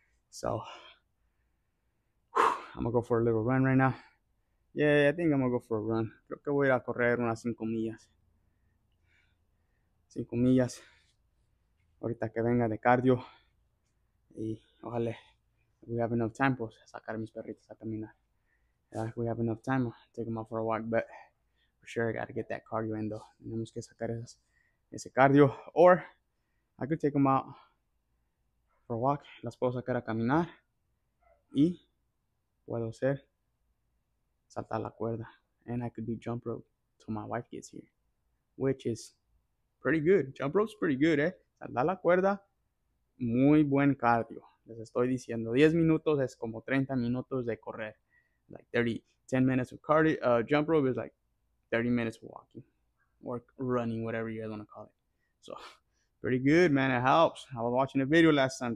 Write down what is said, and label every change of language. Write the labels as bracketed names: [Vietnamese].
[English] So, I'm gonna go for a little run right now. Yeah, I think I'm gonna go for a run. [Spanish] Creo que voy a ir a correr unas 5 millas. 5 millas. Ahorita que venga de cardio. Y ojalá. [English] We have enough time, pues, [Spanish] sacar a mis perritos a caminar. [English] We have enough time. I'll take them out for a walk, but for sure I gotta get that cardio in, though. [Spanish] Tenemos que sacar ese cardio. [English] Or, I could take them out. [Spanish] Rock, las puedo sacar a caminar y puedo hacer saltar la cuerda. [English] And I could do jump rope till my wife gets here, which is pretty good. Jump rope's pretty good, [Spanish] ¿eh? Saltar la cuerda, muy buen cardio. Les estoy diciendo, 10 minutos es como 30 minutos de correr. [English] Like 30, 10 minutes of cardio, jump rope is like 30 minutes of walking or running, whatever you want to call it. So, pretty good, man. It helps. I was watching a video last time.